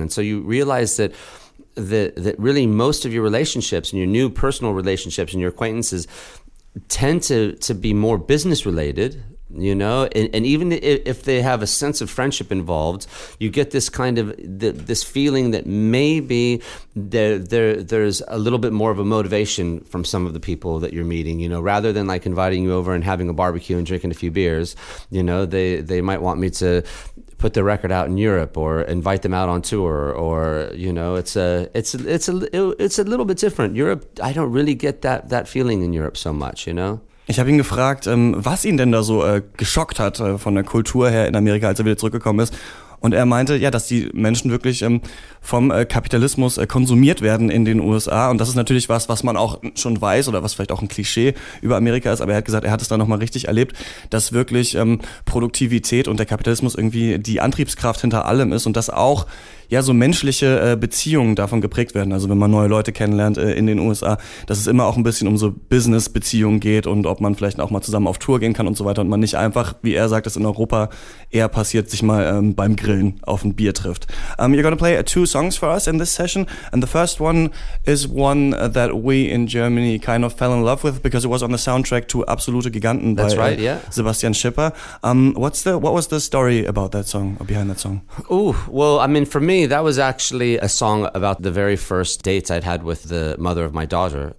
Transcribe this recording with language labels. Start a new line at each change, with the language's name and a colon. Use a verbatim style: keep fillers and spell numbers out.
English: And so you realize that the, that really most of your relationships and your new personal relationships and your acquaintances tend to, to be more business related, you know, and, and even if they have a sense of friendship involved, you get this kind of th- this feeling that maybe there there there's a little bit more of a motivation from some of the people that you're meeting, you know, rather than like inviting you over and having a barbecue and drinking a few beers, you know, they they might want me to put their record out in Europe or invite them out on tour, or, you know, it's a it's a, it's a it's a little bit different. Europe, I don't really get that that feeling in Europe so much, you know.
German: Ich habe ihn gefragt, was ihn denn da so geschockt hat von der Kultur her in Amerika, als er wieder zurückgekommen ist. Und er meinte, ja, dass die Menschen wirklich vom Kapitalismus konsumiert werden in den U S A. Und das ist natürlich was, was man auch schon weiß oder was vielleicht auch ein Klischee über Amerika ist. Aber er hat gesagt, er hat es da nochmal richtig erlebt, dass wirklich Produktivität und der Kapitalismus irgendwie die Antriebskraft hinter allem ist und dass auch ja, so menschliche äh, Beziehungen davon geprägt werden. Also wenn man neue Leute kennenlernt äh, in den U S A, dass es immer auch ein bisschen um so Business-Beziehungen geht und ob man vielleicht auch mal zusammen auf Tour gehen kann und so weiter und man nicht einfach, wie er sagt, das in Europa eher passiert, sich mal ähm, beim Grillen auf ein Bier trifft.
English: Um, you're gonna play uh, two songs for us in this session, and the first one is one uh, that we in Germany kind of fell in love with because it was on the soundtrack to Absolute Giganten That's by right, yeah. Sebastian Schipper. Um, what's the what was the story about that song or behind that song? Oh, well, I mean, for me, that was actually a song about the very first date I'd had with the mother of my daughter.